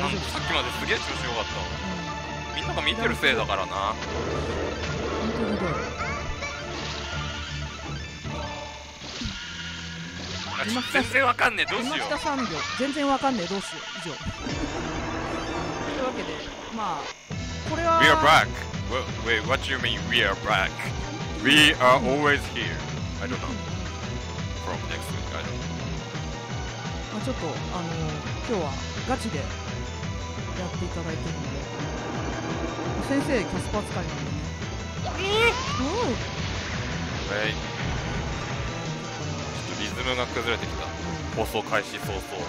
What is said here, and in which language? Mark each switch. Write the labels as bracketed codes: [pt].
[ja] なんかさっきまですげえ調子よかった、みんなが見てるせいだからな、本当にどう、全然わかんねえ、どうしよう、今下3秒、全然わかんねえ、どうしよう、以上というわけで、まあこれは [en] We are back! Wait, what do you mean we are back? We are always here! I don't know From next week, I don't know、 [ja] まあ、ちょっと、今日はガチでやっていただいてるんで、先生、キャスパー使いなんでね、 Wait、リズムが崩れてきた、放送開始早々